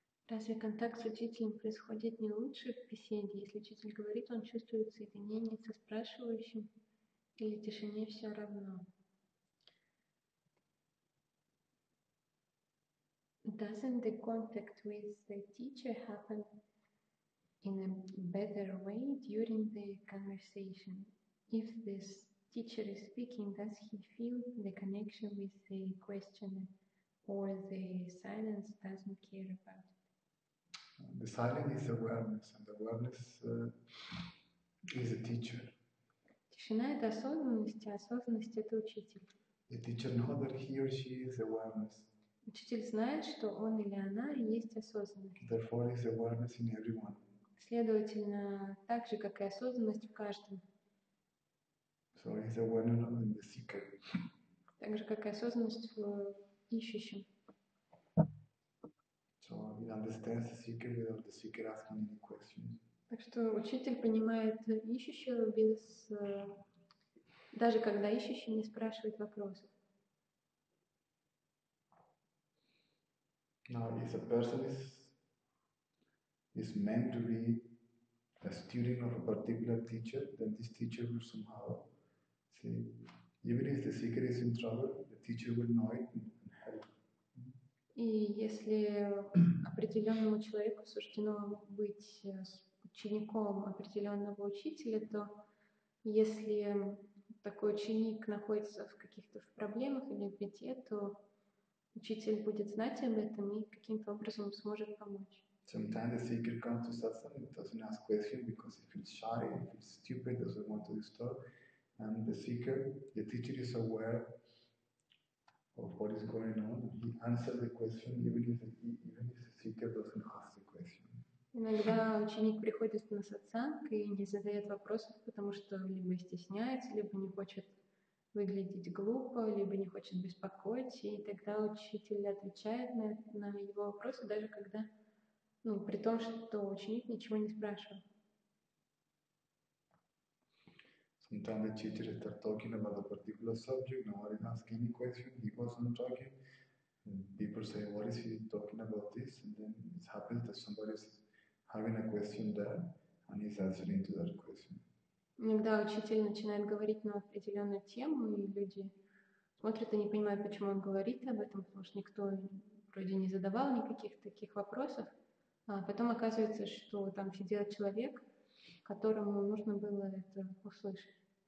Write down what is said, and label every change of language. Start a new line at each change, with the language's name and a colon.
Russian: Разве контакт с учителем происходит не лучше в беседе, если учитель говорит, он чувствует соединение со спрашивающим, или тишине все равно?
English: Doesn't the contact with the teacher happen in a better way during the conversation? If this teacher is speaking, does he feel the connection with the questioner, or the silence doesn't care about it? The silence is awareness, and awareness is a teacher.
Russian: Тишина — это осознанность, а осознанность — это учитель.
English: The teacher knows that he or she is awareness.
Russian: Учитель знает, что он или она есть осознанность.
English: Therefore, is awareness in everyone.
Russian: Следовательно, так же, как и осознанность в каждом.
English: So is awareness in the seeker.
Russian: Так же, как и осознанность в ищущем.
English: So he understands the seeker without the seeker asking any questions.
Russian: Так что учитель понимает ищущего без, даже когда ищущий не спрашивает вопросов.
English: Now, if a person is meant to be a student of a particular teacher, then this teacher will somehow see, even if the seeker is in trouble, the teacher will know it and help.
Russian: И если определенному человеку суждено быть учеником определенного учителя, то если такой ученик находится в каких-то проблемах или беде, то учитель будет знать об этом и каким-то образом сможет помочь.
English: Sometimes the seeker comes to satsang and doesn't ask questions because he feels shy, he feels stupid, doesn't want to disturb. And the seeker, the teacher is aware of what is going on. He answers the question even if the seeker doesn't ask the question.
Russian: Иногда ученик приходит на сатсанг и не задает вопросов, потому что либо стесняется, либо не хочет выглядеть глупо, либо не хочет беспокоить, и тогда учитель отвечает на его вопросы, даже когда, ну, при том, что ученик ничего не спрашивал.
English: Sometimes the teacher starts talking about a particular subject, nobody asks any question, he goes on talking, and people say, what is he talking about this? And then it happens that somebody is having a question there, and he's answering to that question.
Russian: Иногда учитель начинает говорить на определенную тему, и люди смотрят и не понимают, почему он говорит об этом, потому что никто вроде не задавал никаких таких вопросов. А потом оказывается, что там сидел человек, которому нужно было это услышать.